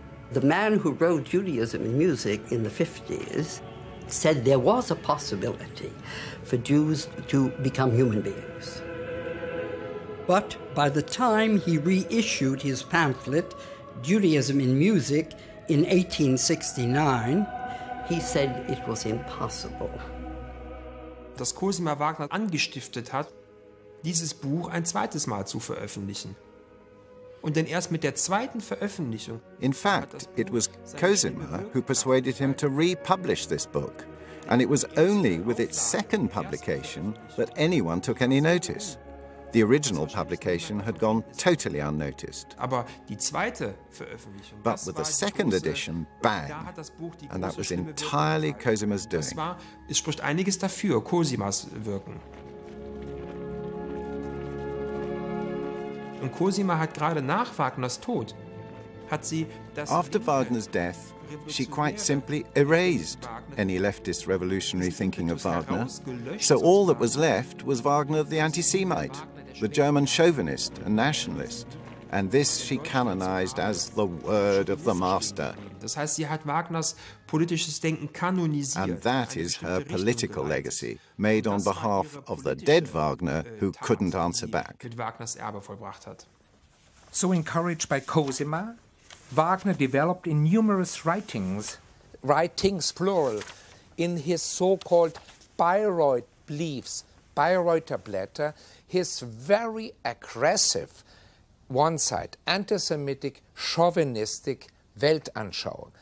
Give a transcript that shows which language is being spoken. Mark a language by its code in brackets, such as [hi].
[en] The man who wrote Judaism in music in the 50s said there was a possibility for Jews to become human beings. But by the time he reissued his pamphlet, Judaism in Music, in 1869, he said it was impossible. [de] Dass Cosima Wagner angestiftet hat, dieses Buch ein zweites Mal zu veröffentlichen. Und denn erst mit der zweiten Veröffentlichung. [en] In fact, it was Cosima who persuaded him to republish this book. And it was only with its second publication that anyone took any notice. The original publication had gone totally unnoticed. [de] Aber die zweite Veröffentlichung. [en] But with the second edition, bang. And that was entirely Cosima's doing. [de] Es spricht einiges dafür, Cosimas Wirken. Und Cosima hat gerade nach Wagners Tod hat sie das. [en] After Wagner's death, she quite simply erased any leftist revolutionary thinking of Wagner. So all that was left was Wagner the anti-Semite, the German chauvinist and nationalist. And this she canonized as the word of the master. [de] Das heißt, sie hat Wagners politisches Denken kanonisiert. [en] And that is her political legacy, made on behalf of the dead Wagner, who couldn't answer back. [de] Mit Wagners Erbe vollbracht hat. [en] So encouraged by Cosima, Wagner developed in numerous writings plural, in his so-called Bayreuth leaves, Bayreuther Blätter, his very aggressive, one side, anti-Semitic, chauvinistic Weltanschauung.